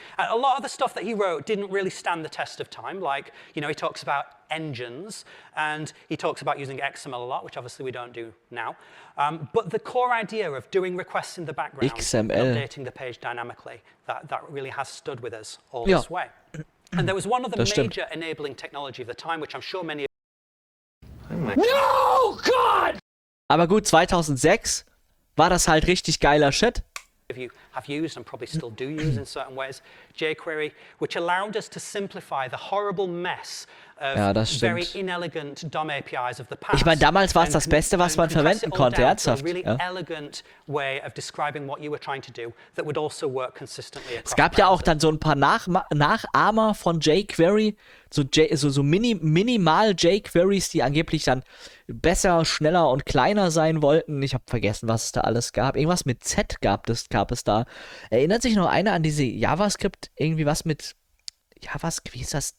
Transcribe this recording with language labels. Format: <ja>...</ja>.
<en>A lot of the stuff that he wrote didn't really stand the test of time. Like, you know, he talks about engines and he talks about using XML a lot, which obviously we don't do now. But the core idea of doing requests in the background XML. And updating the page dynamically, that really has stood with us all this way. And there was one of the</en> <de>das</de> <en>major</en> <de>stimmt.</de> <en>enabling technology of the time, which I'm sure many of you... No, God!</en> <de>Aber gut, 2006 war das halt richtig geiler Shit.</de> <en>You have used and probably still do use in certain ways jQuery, which allowed us to simplify the horrible mess of very inelegant DOM APIs of the past.</en> <de>Ich meine, damals war es das Beste, was man verwenden konnte, ernsthaft.</de> <en>Really elegant way of describing what you were trying to do that would also work consistently.</en> <de>Es gab ja auch dann so ein paar Nachahmer von jQuery, minimal jQueries, die angeblich dann besser, schneller und kleiner sein wollten. Ich habe vergessen, was es da alles gab. Irgendwas mit Z gab es da. Erinnert sich noch einer an diese JavaScript, irgendwie was mit JavaScript, wie ist das?</de>